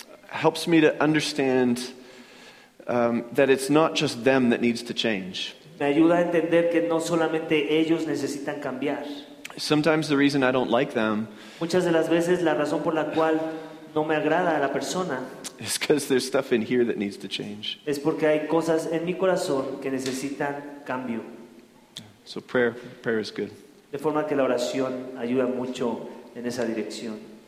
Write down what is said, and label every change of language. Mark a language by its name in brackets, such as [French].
[English] helps me to understand that it's not just them that needs to change. [Spanish] Me ayuda a entender que no solamente ellos necesitan cambiar. [English] Sometimes the reason I don't like them, [Spanish] muchas de las veces la razón por la cual no me agrada a la persona, [English] is because there's stuff in here that needs to change. [Spanish] Es porque hay cosas en mi corazón que necesitan cambio. [English] So prayer is good. [Spanish] De forma que la oración ayuda mucho en esa dirección.